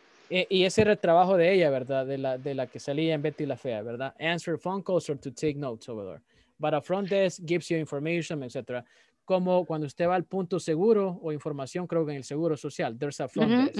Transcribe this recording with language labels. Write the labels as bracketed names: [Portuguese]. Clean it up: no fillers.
[Spanish] Y ese era el trabajo de ella, ¿verdad? De la que salía en Betty la Fea, ¿verdad? [English] Answer phone calls or to take notes over there. But a front desk gives you information, etc. [Spanish] Como cuando usted va al punto seguro o información, creo que en el seguro social, [English] there's a front desk.